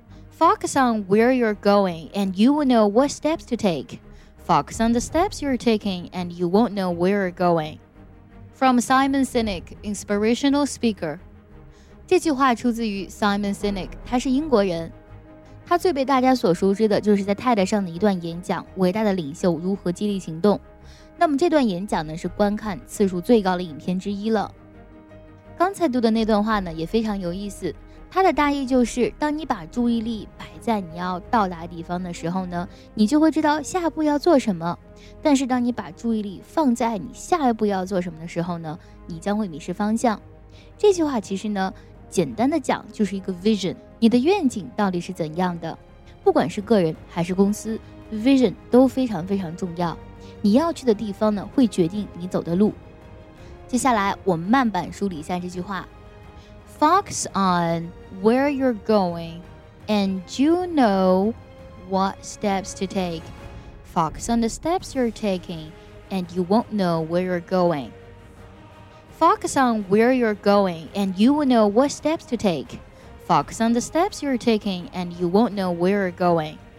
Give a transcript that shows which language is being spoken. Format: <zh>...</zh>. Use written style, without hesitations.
<en>Focus on where you're going, and you will know what steps to take. Focus on the steps you're taking, and you won't know where you're going. From Simon Sinek, inspirational speaker.</en> <zh>这句话出自于 Simon Sinek， 他是英国人。他最被大家所熟知的就是在 TED 上的一段演讲，伟大的领袖如何激励行动。那么这段演讲呢，是观看次数最高的影片之一了。刚才读的那段话呢，也非常有意思。它的大意就是，当你把注意力摆在你要到达的地方的时候呢，你就会知道下一步要做什么。但是当你把注意力放在你下一步要做什么的时候呢，你将会迷失方向。这句话其实呢，简单的讲就是一个 vision， 你的愿景到底是怎样的。不管是个人还是公司， vision 都非常非常重要。你要去的地方呢，会决定你走的路。接下来我们慢板梳理一下这句话。</zh> <en>Focus on where you're going, and you know what steps to take. Focus on the steps you're taking, and you won't know where you're going. Focus on where you're going, and you will know what steps to take. Focus on the steps you're taking, and you won't know where you're going.</en>